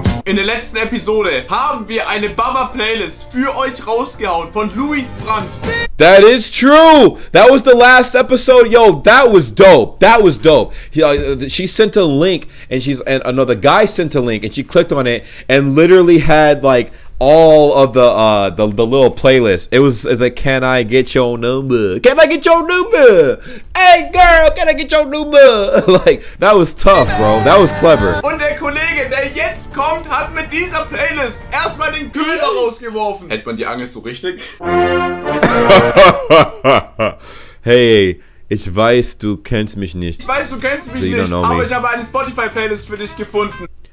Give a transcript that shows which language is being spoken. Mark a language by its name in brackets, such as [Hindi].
[German] In der letzten Episode haben wir eine Baba-Playlist für euch rausgehauen von Louis Brandt. [English] That is true. That was the last episode. Yo, that was dope. That was dope. She sent a link and she's and another guy sent a link and she clicked on it and literally had like all of the little playlist. It's like, can I get your number? Can I get your number? Hey girl, can I get your number? Like, that was tough, bro. That was clever. [German] Und der Kollege, der jetzt kommt, hat mit dieser Playlist erstmal den Köder rausgeworfen. Hält man die Angel so richtig? Hey, ich weiß, du kennst mich nicht. Ich weiß, du kennst mich nicht, aber me. Ich habe eine Spotify Playlist für dich gefunden.